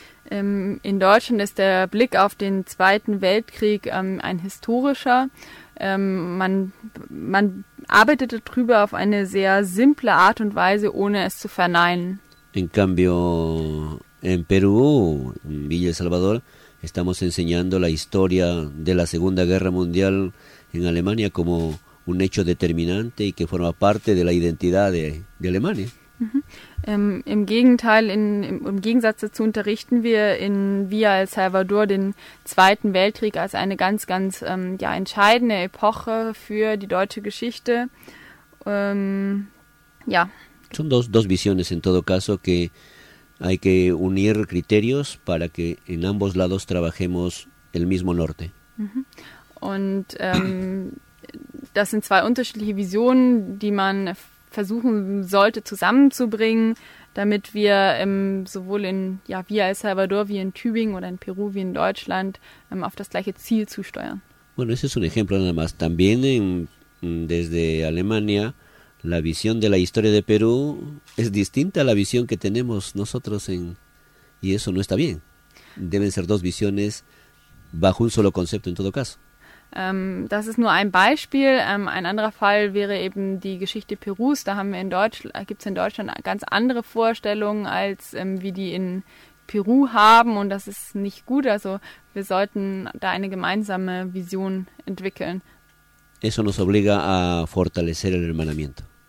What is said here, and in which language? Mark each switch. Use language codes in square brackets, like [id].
[de] In Deutschland ist der Blick auf den Zweiten Weltkrieg ein historischer. Man arbeitet darüber auf eine sehr simple Art und Weise, ohne es zu verneinen. [es] En cambio, en Perú, en Villa El Salvador, estamos enseñando la historia de la Segunda Guerra Mundial en Alemania como un hecho determinante y que forma parte de la identidad de Alemania. [de] Im Gegensatz dazu unterrichten wir in Villa El Salvador den Zweiten Weltkrieg als eine ganz, ganz entscheidende Epoche für die deutsche Geschichte. [es] Son dos visiones en todo caso que hay que unir criterios para que en ambos lados trabajemos el mismo norte. [de] Und das sind zwei unterschiedliche Visionen, die man versuchen sollte zusammenzubringen, damit wir sowohl in Villa El Salvador wie in Tübingen oder in Peru wie in Deutschland auf das gleiche Ziel zusteuern. [es] Bueno, ese es un ejemplo nada más. También desde Alemania la visión de la historia de Perú es distinta a la visión que tenemos nosotros y eso no está bien. Deben ser dos visiones bajo un solo concepto en todo caso. [de] Das ist nur ein Beispiel. Ein anderer Fall wäre eben die Geschichte Perus. Da haben wir gibt's in Deutschland ganz andere Vorstellungen als wie die in Peru haben und das ist nicht gut. Also wir sollten da eine gemeinsame Vision entwickeln. [es] Eso nos obliga a fortalecer el hermanamiento.